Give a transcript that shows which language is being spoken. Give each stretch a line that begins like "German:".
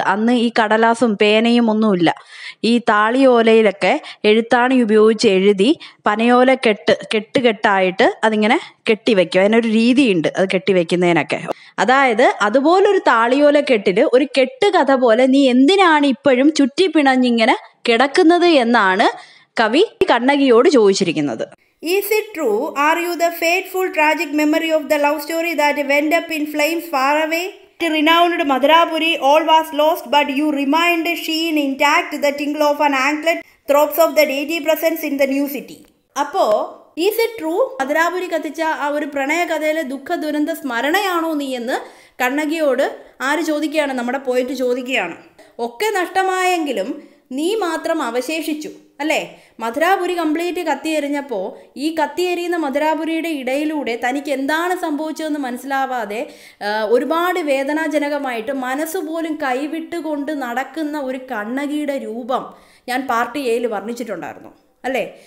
Malayalam: അന്ന് ഈ കടലാസും പേനയും ഒന്നുമില്ല. ഈ താളിയോലയിലൊക്കെ എഴുത്താണി ഉപയോഗിച്ച് എഴുതി പനയോല കെട്ടുകെട്ടായിട്ട് അതിങ്ങനെ കെട്ടിവെക്കും. അതിനൊരു രീതിയുണ്ട് അത് കെട്ടിവെക്കുന്നതിനൊക്കെ. അതായത് അതുപോലൊരു താളിയോല കെട്ടിൽ ഒരു കെട്ടുകഥ പോലെ നീ എന്തിനാണ് ഇപ്പോഴും ചുറ്റി പിണഞ്ഞിങ്ങനെ കിടക്കുന്നത് എന്നാണ് കവി കണ്ണകിയോട് ചോദിച്ചിരിക്കുന്നത്.
English: Is it true, are you the fateful tragic memory of the love story that went up in flames far away? Renowned Madhurapuri, all was lost, but you remained sheen intact, the tingle of an anklet throbs of the deity presence in the new city.
Malayalam: അപ്പോ
English: is it true,
Malayalam: Madhurapuri കത്തിച്ച ആ ഒരു പ്രണയ കഥയിലെ ദുഃഖ ദുരന്ത സ്മരണയാണോ നീ എന്ന് കണ്ണകിയോട് ആര് ചോദിക്കുകയാണ്? നമ്മുടെ പോയിട്ട് ചോദിക്കുകയാണ്. ഒക്കെ നഷ്ടമായെങ്കിലും നീ മാത്രം അവശേഷിച്ചു അല്ലേ. മധുരാപുരി കംപ്ലീറ്റ് കത്തിയെറിഞ്ഞപ്പോൾ ഈ കത്തിയെറിയുന്ന മധുരാപുരിയുടെ ഇടയിലൂടെ തനിക്ക് എന്താണ് സംഭവിച്ചതെന്ന് മനസ്സിലാവാതെ ഒരുപാട് വേദനാജനകമായിട്ട് മനസ്സുപോലും കൈവിട്ടുകൊണ്ട് നടക്കുന്ന ഒരു കണ്ണകിയുടെ രൂപം ഞാൻ പാർട്ട് എയിൽ വർണ്ണിച്ചിട്ടുണ്ടായിരുന്നു അല്ലേ.